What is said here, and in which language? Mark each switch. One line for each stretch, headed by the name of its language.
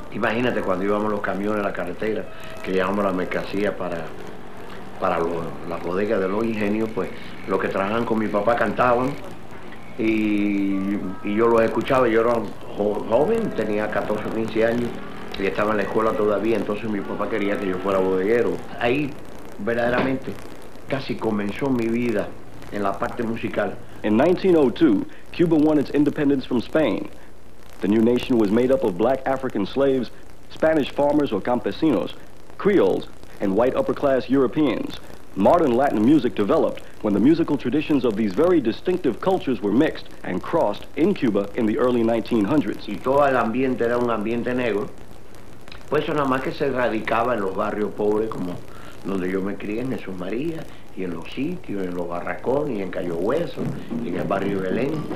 Spanish: Imagínate cuando íbamos los camiones a la carretera, que llevábamos la mercancía para las bodegas de los ingenios, pues los que trabajaban con mi papá cantaban y yo los escuchaba. Yo era joven, tenía 14 o 15 años y estaba en la escuela todavía, entonces mi papá quería que yo fuera bodeguero. Ahí verdaderamente casi comenzó mi vida en la parte musical.
English: In 1902, Cuba won its independence from Spain. The new nation was made up of black African slaves, Spanish farmers or campesinos, Creoles, and white upper-class Europeans. Modern Latin music developed when the musical traditions of these very distinctive cultures were mixed and crossed in Cuba in the early 1900s.
Spanish: Y todo el ambiente era un ambiente negro, pues eso nada más que se radicaba en los barrios pobres como donde yo me crié, en Jesús María, y en los sitios, en los barracones, y en Cayo Hueso, y en el barrio Belén.